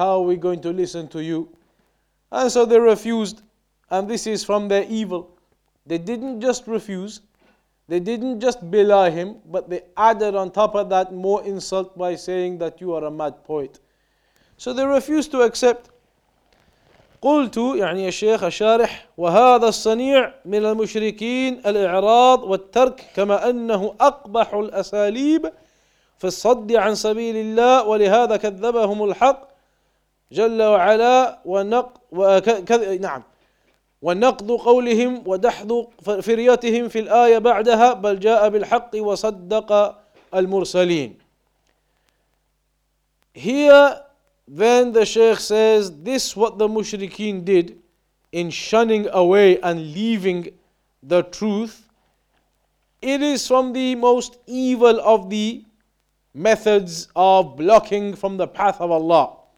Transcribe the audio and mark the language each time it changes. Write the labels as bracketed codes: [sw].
[en] How are we going to listen to you? And so they refused. And this is from their evil. They didn't just refuse. They didn't just belie him, but they added on top of that more insult by saying that you are a mad poet. So they refused to accept. [ar] قلت يعني الشيخ الشارح وهذا الصنيع من المشركين الإعراض والترك كما أنه أقبح الأساليب في الصد عن سبيل الله ولهذا كذبهم الحق جل وعلا ونقض قولهم ودحض فريتهم في الآية بعدها بل جاء بالحق وصدق المرسلين. [en] Here then the Shaykh says, this what the mushrikeen did in shunning away and leaving the truth, it is from the most evil of the methods of blocking from the path of Allah.